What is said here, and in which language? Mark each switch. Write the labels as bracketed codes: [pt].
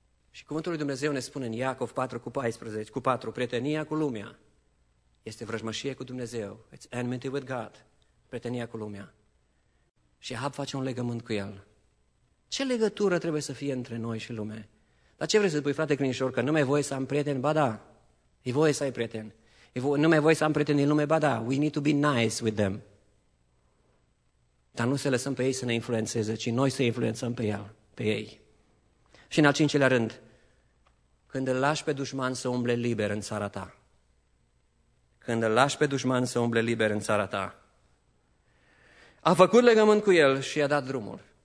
[ro] Și cuvântul lui Dumnezeu ne spune în Iacov 4:14, prietenia cu lumea este vrăjmășie cu Dumnezeu. [en] It's enmity with God, [ro] prietenia cu lumea. Și Ahab face un legământ cu el. Ce legătură trebuie să fie între noi și lume? Dar ce vrei să spui, frate Crinșor, că nu mai e voie să am prieteni? Ba da, e voie să ai prieteni. Nu mai e voie să am prieteni în lume? Ba da, [en] we need to be nice with them. [ro] Dar nu să lăsăm pe ei să ne influențeze, ci noi să influențăm pe ei. Și în al cincilea rând, când îl lași pe dușman să umble liber în țara ta, când îl lași pe dușman să umble liber în țara ta. A făcut legământ cu el și i-a dat drumul.